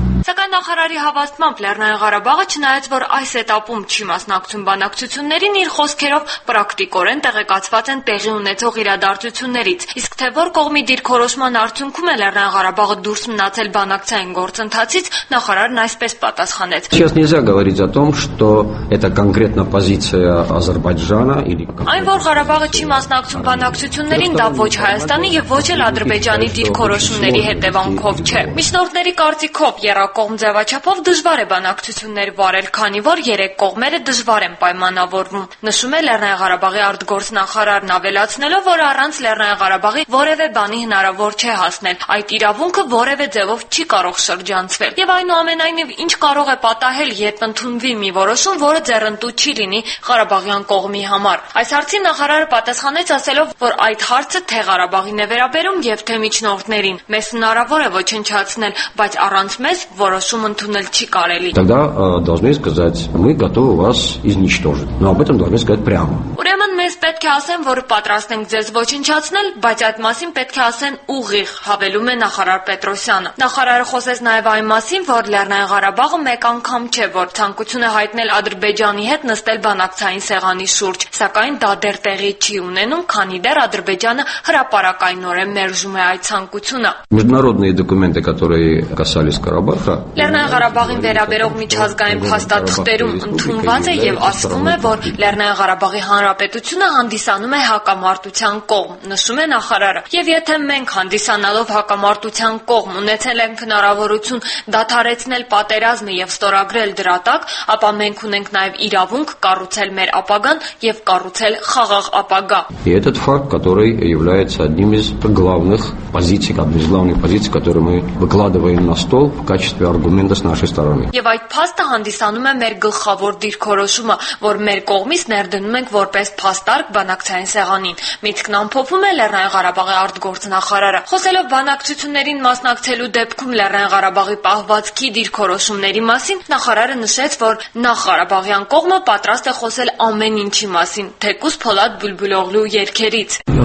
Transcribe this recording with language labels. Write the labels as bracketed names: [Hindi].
[Armenian] Սակայն նախարարի հավաստմամբ Լեռնային Ղարաբաղը, չնայած որ այս էտապում չի մասնակցում բանակցություններին, իր խոսքերով պրակտիկորեն տեղեկացված են տեղի ունեցող իրադարձություններից, իսկ թե որ կողմի դիրքորոշման արդյունքում է Լեռնային Ղարաբաղը դուրս մնացել բանակցային գործընթացից, նախարարն այսպես պատասխանեց. [Russian] Сейчас нельзя говорить о том, что это конкретно позиция Азербайджана или [Armenian] Այն որ Ղարաբաղը չի մասնակցում բանակցություններին, դա ոչ Հայաստանի եւ ոչ էլ Ադրբեջանի դիրքորոշումների հետևանքով չէ։ Միջնորդների կարծիքով Երակողմ ձևաչափով դժվար է բանակցություններ վարել, քանի որ երեք կողմերը դժվար են պայմանավորվում, նշում է Լեռնային Ղարաբաղի արտգործնախարարն, ավելացնելով, որ առանց Լեռնային Ղարաբաղի որևէ բանի հնարավոր չէ հասնել, այդ իրավունքը որևէ ձևով չի կարող շրջանցվել։ Եվ այնուամենայնիվ, ինչ կարող է պատահել, եթե ընդունվի մի որոշում, որը ձեռնտու չի լինի Ղարաբաղյան կողմի համար։ Այս հարցին նախարարը պատասխանեց ասելով, որ այդ հարցը թե Ղարաբաղին է վերաբերում եւ թե միջնորդներին, մեզ հնարավոր է ոչնչացնել, բայց առանց մեզ որոշում ընդունել չի կարելի։ [Russian] Тогда должны сказать, мы готовы вас уничтожить. Но об этом должны сказать прямо. [Armenian] Ուրեմն մեզ պետք է ասեն, որ պատրաստ ենք ձեզ ոչնչացնել, բայց այդ մասին պետք է ասեն ուղիղ, հավելում է նախարար Պետրոսյանը։ Նախարարը խոսեց նաև այն մասին, որ Լեռնային Ղարաբաղը մեկ անգամ չէ, որ ցանկություն է հայտնել Ադրբեջանի հետ նստել բանակցային սեղանի շուրջ, սակայն դա դեռ տեղի չի ունենում, քանի դեռ Ադրբեջանը հրապարակայնորեն մերժում է այդ ցանկությունը։ [Russian] Международные документы, которые касались Карабаха. [Armenian] Լեռնային Ղարաբաղին վերաբերող միջազգային փաստաթղթերում ընդունված է եւ ասվում է, որ Լեռնային Ղարաբաղի Հանրապետությունը հանդիսանում է հակամարտության կողմ, նշում է նախարարը։ Եվ եթե մենք հանդիսանալով հակամարտության կողմ ունեցել ենք հնարավորություն դադարեցնել պատերազմը եւ ստորագրել դրա տակ, ապա մենք ունենք նաեւ իրավունք կառուցել մեր ապագան եւ կառուցել խաղաղ ապագա։ [Russian] Этот факт, который является одним из главных позиций, одной из главных позиций, которые мы выкладываем на стол в качестве аргумента с нашей стороны. [Armenian] Եվ այդ փաստը հանդիսանում է մեր գլխավոր դիրքորոշումը, որ մեր կողմից ներդնում ենք որպես փաստարկ բանակցային սեղանին։ Միտքն ամփոփում է Լեռնային Ղարաբաղի արտգործնախարարը։ Խոսելով բանակցություններին մասնակցելու դեպքում Լեռնային Ղարաբաղի պահվածքի դիրքորոշումների մասին, նախարարը նշեց, որ նախ Ղարաբաղյան կողմը պատրաստ է խոսել ամեն ինչի մասին, թեկուզ Փոլադ Բուլբուլոգլու երկերից։